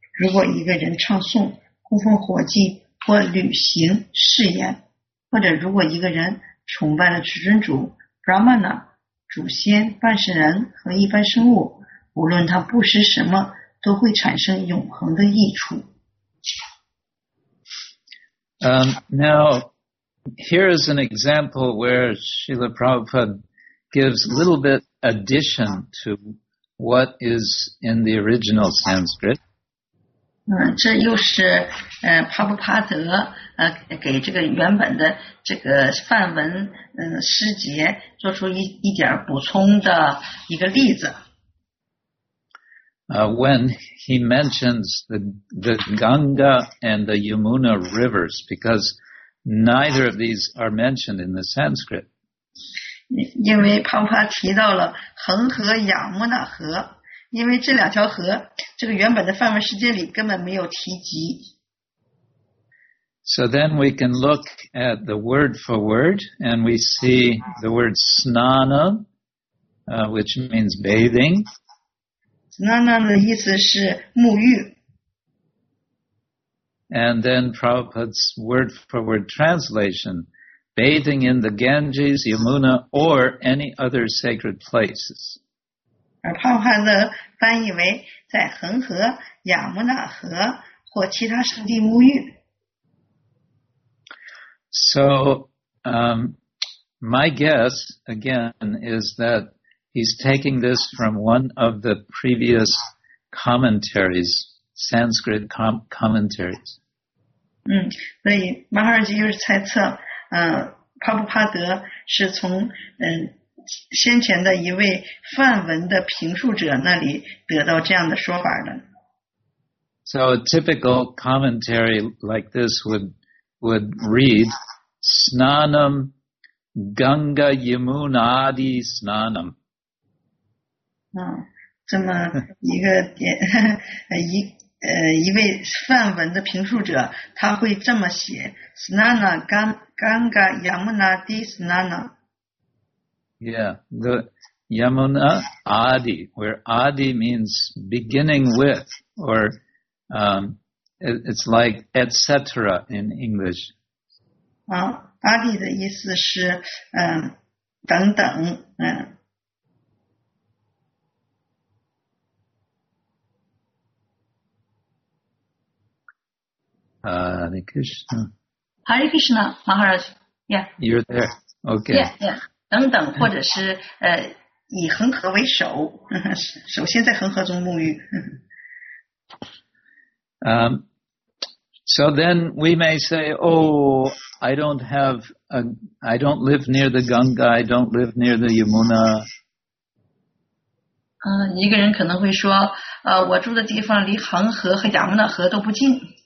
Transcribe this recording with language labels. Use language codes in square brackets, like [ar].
[zh] 如果一个人唱诵供奉火祭或履行誓言，或者如果一个人崇拜了至尊主 Brahmana 祖先、半世人和一般生物，无论他布施什么都会产生永恒的益处。 [en] Now, here is an example where Srila Prabhupada gives a little bit addition to what is in the original Sanskrit. [zh] 这又是帕布帕德给这个原本的这个梵文诗节做出一点补充的一个例子。 [en] When he mentions the Ganga and the Yamuna rivers, because neither of these are mentioned in the Sanskrit. [zh] 因为帕帕提到了恒河、雅穆纳河，因为这两条河，这个原本的梵文世界里根本没有提及。 [en] So then we can look at the word for word, and we see the word snana, which means bathing. [zh] Snana 的意思是沐浴。 [en] And then Prabhupada's word for word translation, bathing in the Ganges, Yamuna, or any other sacred places. [zh] 而帕帕的翻译为在恒河、亚穆纳河或其他圣地沐浴。 [en] So, my guess, again, is thatHe's taking this from one of the previous commentaries, Sanskrit commentaries. [zh] 所以马哈尔吉又是猜测，帕布帕德是从先前的一位梵文的评述者那里得到这样的说法的。 [en] So a typical commentary like this would read, [sa] Snanam Ganga Yamunadi Snanam. [zh] 这么一个一位梵文的评述者，他会这么写 ： [sa] Snana Ganga Yamuna Adi Snana。 [en] Yeah, the Yamuna Adi, where Adi means beginning with, or it's like etc. in English. [zh] Adi 的意思是等等 [en] Hare Krishna. Hare Krishna, Maharaj. Yeah. You're there. Okay. Yeah, yeah. [zh] 等等，或者是以恒河为首，首先在恒河中沐浴。 [en] So then we may say, "Oh, I don't live near the Ganga. I don't live near the Yamuna." [zh] 一个人可能会说，我住的地方离恒河和亚穆纳河都不近。